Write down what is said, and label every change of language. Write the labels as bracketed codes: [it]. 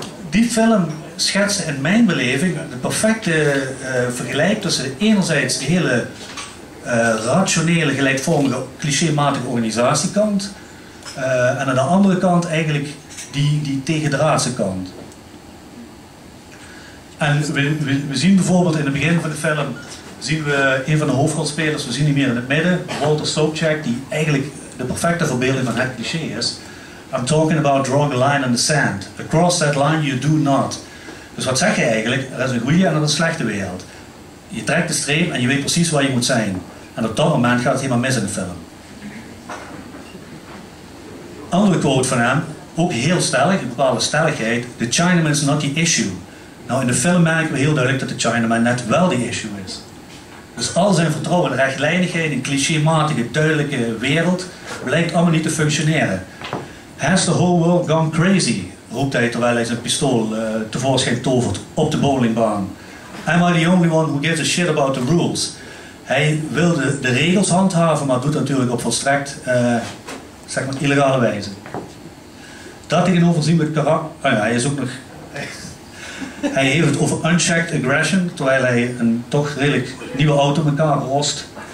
[nl] Die film schetste in mijn beleving de perfecte vergelijk tussen enerzijds de hele rationele, gelijkvormige, clichématige organisatiekant en aan de andere kant eigenlijk die tegendraadse kant. En we zien bijvoorbeeld in het begin van de film zien we een van de hoofdrolspelers, we zien hem meer in het midden, Walter Sobchak, die eigenlijk de perfecte verbeelding van het cliché is. [en] I'm talking about drawing a line in the sand. Across that line you do not. [nl] Dus wat zeg je eigenlijk? Er is een goede en er is een slechte wereld. Je trekt de streep en je weet precies waar je moet zijn. En op dat moment gaat het helemaal mis in de film. Andere quote van hem, ook heel stellig, een bepaalde stelligheid. [en] The Chinaman is not the issue. [nl] Nou, in de film merken we heel duidelijk dat de Chinaman net wel de issue is. Dus al zijn vertrouwen, rechtlijnigheid, een clichématige, duidelijke wereld, blijkt allemaal niet te functioneren. [en] Has the whole world gone crazy? [nl] Roept hij terwijl hij zijn pistool tevoorschijn tovert op de bowlingbaan. [en] Am I the only one who gives a shit about the rules? [nl] Hij wil de regels handhaven, maar doet dat natuurlijk op volstrekt zeg maar illegale wijze. Dat tegenover zien we het karakter. Oh ja, hij is ook nog. Hij heeft het over [en] unchecked aggression, [nl] terwijl hij een toch redelijk nieuwe auto in elkaar rost.